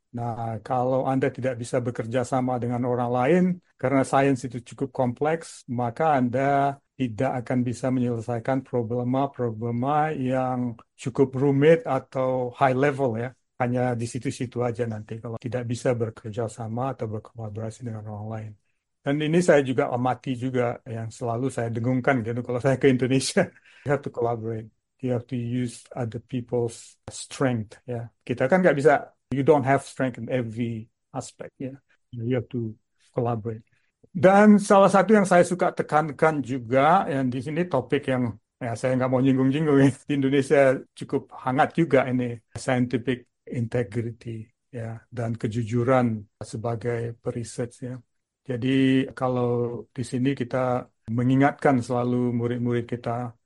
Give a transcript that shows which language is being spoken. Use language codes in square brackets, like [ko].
[id] Nah, kalau Anda tidak bisa bekerja sama dengan orang lain, karena sains itu cukup kompleks, maka Anda tidak akan bisa menyelesaikan problema-problema yang cukup rumit atau [en] high level [id] ya. Hanya di situ-situ aja nanti kalau tidak bisa bekerja sama atau berkolaborasi dengan orang lain. Dan ini saya juga amati juga yang selalu saya dengungkan gitu kalau saya ke Indonesia. [en] You have to collaborate. You have to use other people's strength. [id] Ya. Kita kan nggak bisa, [en] you don't have strength in every aspect. [id] Ya. [en] You have to collaborate. [id] Dan salah satu yang saya suka tekankan juga, yang di sini topik yang ya, saya nggak mau nyinggung-nyinggung. Di Indonesia cukup hangat juga ini, [en] scientific integrity [id] ya, dan kejujuran sebagai peresearch ya. Jadi kalau di sini kita mengingatkan selalu murid-murid kita